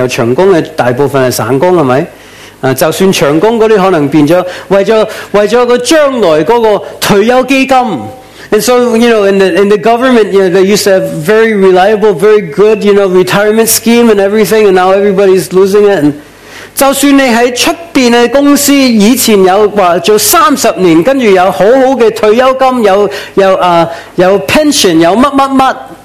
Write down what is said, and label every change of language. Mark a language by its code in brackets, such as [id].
[zh] 以前政府有长工，现在很少人有长工，大部分是散工，是吧？就算長工那些可能變成為了將來的退休基金。 [en] And so, you know, in the government, you know, they used to have very reliable, very good, you know, retirement scheme and everything, and now everybody's losing it. [zh] 就算你在外面的公司以前有做30年, 跟著有好好的退休金, 有 pension, 有什麼什麼什麼,